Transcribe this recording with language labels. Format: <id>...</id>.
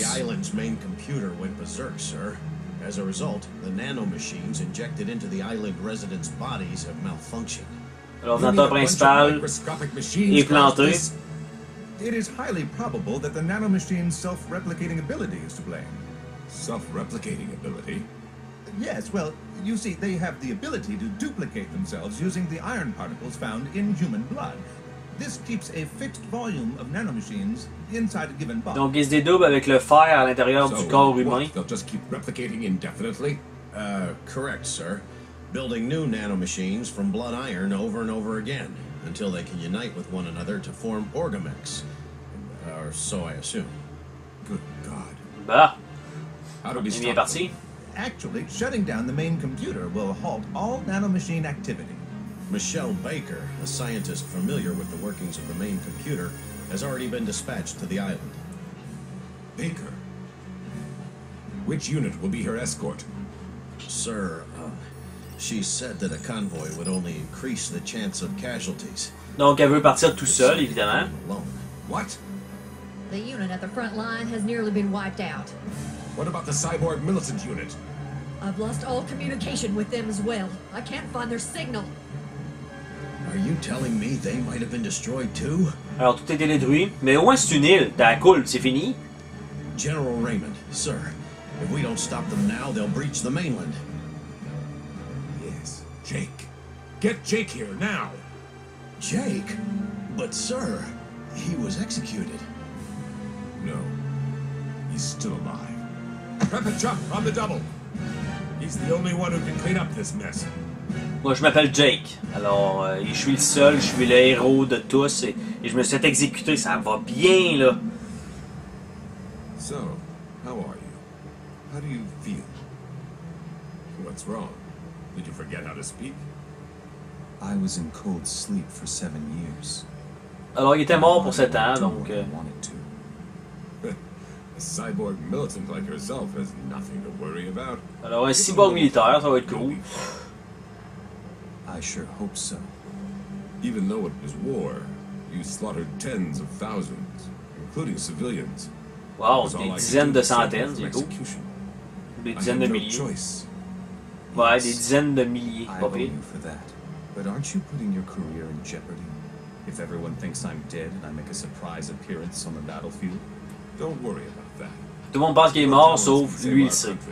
<en>The island's main computer went berserk, sir. As a result, the nanomachines injected into the island residents' bodies have malfunctioned.</en> <fr>L'ordinateur principal est planté.</fr> <en>It is highly probable that the nanomachine's self-replicating ability is to blame. Self-replicating ability? Yes, well, you see, they have the ability to duplicate themselves using the iron particles found in human blood. This keeps a fixed volume of nanomachines inside a given body.</en> <fr>Donc ils se dédoublent avec le fer à l'intérieur du corps humain.</fr> <en>They'll just keep replicating indefinitely? Correct, sir. Building new nanomachines from blood iron over and over again, until they can unite with one another to form Orgamex. Or so I assume. Good God. Bah! How do we start? Actually, shutting down the main computer will halt all nanomachine activity. Michelle Baker, a scientist familiar with the workings of the main computer, has already been dispatched to the island. Baker? Which unit will be her escort? Sir, she said that a convoy would only increase the chance of casualties.</en> <fr>Donc elle veut partir tout seul, évidemment.</fr> <en>What? The unit at the front line has nearly been wiped out. What about the cyborg militant unit? I've lost all communication with them as well. I can't find their signal. Are you telling me they might have been destroyed too?</en> <fr>Alors tout est détruit, mais au moins c'est une île. T'as cool, c'est fini.</fr> <en>General Raymond, sir, if we don't stop them now, they'll breach the mainland. Yes, Jake. Get Jake here now. Jake? But sir, he was executed. No, he's still alive. Prep a truck on the double. He's the only one who can clean up this mess.</en> <fr>Moi, je m'appelle Jake. Alors, je suis le seul, je suis le héros de tous et je me suis fait exécuter. Ça va bien, là.</fr> <en>So, how are you? How do you feel? What's wrong? Did you forget how to speak? I was in cold sleep for 7 years.</en> <fr>Alors, il était mort pour 7 ans, donc...</fr> <en>A cyborg militant like yourself has nothing to worry about.</en> <fr>Alors, un cyborg militaire, ça va être cool.</fr> <en>I sure hope so. Even though it was war, you slaughtered tens of thousands, including civilians.</en> <fr>Wow, des dizaines de centaines, du coup.</fr> <en>Execution.</en> <fr>Des dizaines de milliers.</fr> <en>Choice.</en> <fr>Ouais, yes. Des dizaines de milliers, pas pire.</fr> <en>I owe you for that. But aren't you putting your career in jeopardy? If everyone thinks I'm dead and I make a surprise appearance on the battlefield? Don't worry about that.</en> <fr>Tout le monde pense qu'il est mort, sauf lui, il sait.</fr>